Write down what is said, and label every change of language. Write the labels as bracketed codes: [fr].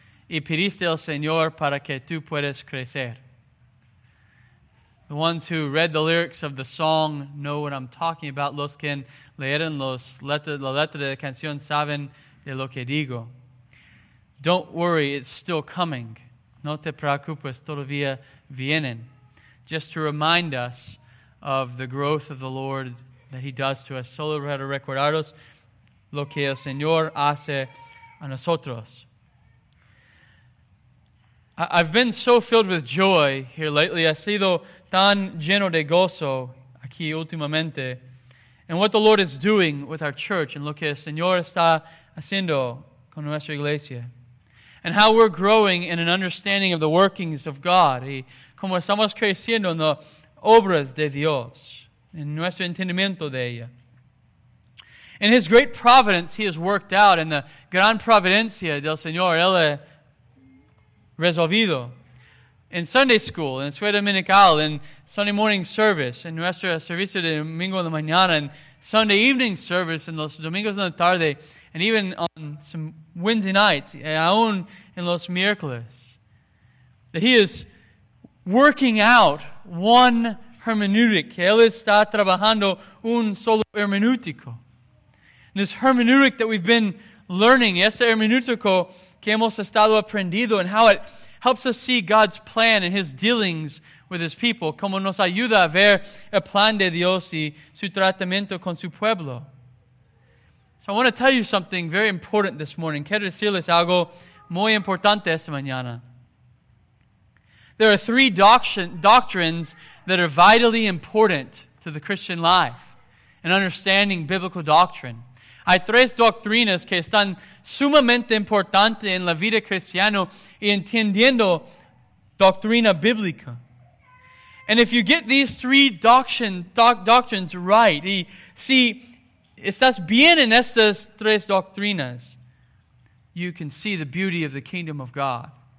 [es] Y pidiste al Señor para que tú puedas crecer. [en] The ones who read the lyrics of the song know what I'm talking about. [es] Los que leyeron la letra de la canción saben de lo que digo. [en] Don't worry, it's still coming. [es] No te preocupes, todavía vienen. [en] Just to remind us of the growth of the Lord that he does to us. [es] Solo para recordaros lo que el Señor hace a nosotros. [en] I've been so filled with joy here lately. [es] He sido tan lleno de gozo aquí últimamente. [en] And what the Lord is doing with our church and [es] lo que el Señor está haciendo con nuestra iglesia. [en] And how we're growing in an understanding of the workings of God. [es] Y como estamos creciendo en las obras de Dios. En nuestro entendimiento de ella. [en] In his great providence, he has worked out. In the [es] gran providencia del Señor, él es resolvido. [en] In Sunday school, in [es] Escuela Dominical, [en] in Sunday morning service, in [es] nuestro servicio de domingo en la mañana, [en] in Sunday evening service, in [es] los domingos en la tarde, [en] and even on some Wednesday nights, [es] y aún en los miércoles. [en] That he is working out one hermeneutic. [es] Que él está trabajando un solo hermenútico. [en] And this hermeneutic that we've been learning, [es] este hermenútico que hemos estado aprendiendo, [en] and how it helps us see God's plan and his dealings with his people. [es] Como nos ayuda a ver el plan de Dios y su tratamiento con su pueblo. [en] So I want to tell you something very important this morning. [es] Quiero decirles algo muy importante esta mañana. [en] There are three doctrines that are vitally important to the Christian life and understanding biblical doctrine. [es] Hay tres doctrinas que están sumamente importantes en la vida cristiana y entendiendo doctrina bíblica. [en] And if you get these three doctrines right, [es] y si estás bien en estas tres doctrinas, [en] you can see the beauty of the kingdom of God.